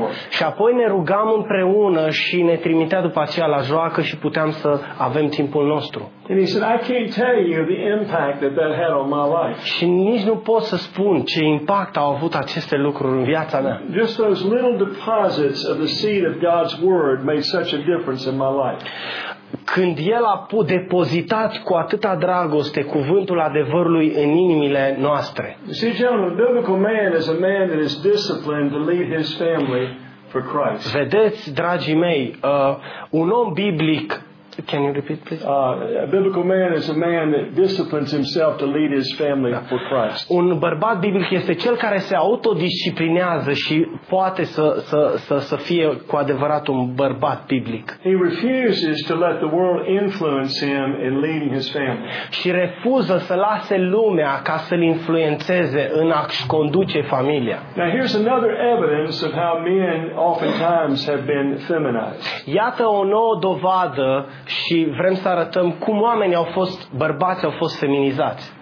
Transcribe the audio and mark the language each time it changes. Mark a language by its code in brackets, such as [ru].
[ro] Și apoi ne rugam împreună și ne trimitea după aceea la joacă și puteam să avem timpul nostru. [en] And he said, I can't tell you the impact that that had on my life. [ro] Și nici nu pot să spun ce impact au avut aceste lucruri în viața mea. [en] Just those little deposits of the seed of God's word made such a difference in my life. [ro] Când el a pus depozitat cu atâta dragoste cuvântul adevărului în inimile noastre. [en] See, gentlemen, a biblical man is a man that is disciplined to lead his family for Christ. [ro] Vedeți, dragii mei, un om biblic. [en] Can you repeat, please? A biblical man is a man that disciplines himself to lead his family for Christ. [ro] Un bărbat biblic este cel care se autodisciplinează și poate să fie cu adevărat un bărbat biblic. [en] He refuses to let the world influence him in leading his family. [ro] Și refuză să lase lumea ca să-l influențeze în a-și conduce familia. [en] Now here's another evidence of how men oftentimes have been feminized. [ro] Iată o nouă dovadă și vrem să arătăm cum oamenii au fost, bărbați au fost feminizați.